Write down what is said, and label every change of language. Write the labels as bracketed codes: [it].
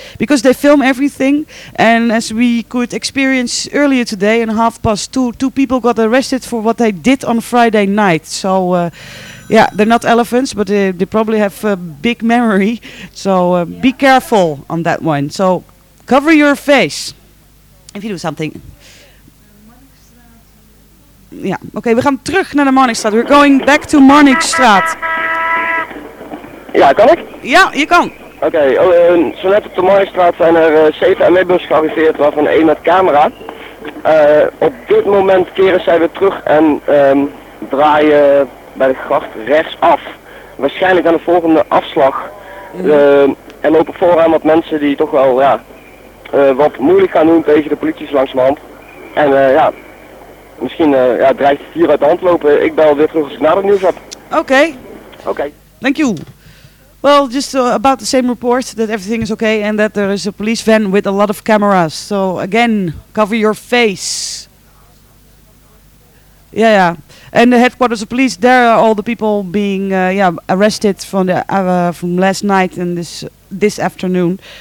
[en] Because they film everything, and as we could experience earlier today, in 2:30, two people got arrested for what they did on Friday night. So, yeah, they're not elephants, but they probably have a big memory. So be careful on that one. So cover your face if you do something. Yeah, okay, [nl] we gaan terug naar de Marnixstraat. [en] We're going back to Marnixstraat. [nl] Ja, kan ik? Ja, je kan. Oké, zo net op de Marnixstraat zijn er 7 ME-bussen gearriveerd, waarvan 1 met camera. Op dit moment keren zij weer terug en draaien bij de gracht rechtsaf. Waarschijnlijk aan de volgende afslag. En lopen vooraan wat mensen die toch wel wat moeilijk gaan doen tegen de politie langzamerhand. En misschien dreigt het hier uit de hand lopen. Ik bel weer terug als ik nader nieuws heb. [en] Oké. Thank you. Well, just about the same report, that everything is okay and that there is a police van with a lot of cameras. So, again, cover your face. Yeah. And the headquarters of police, there are all the people being arrested from the from last night and this afternoon.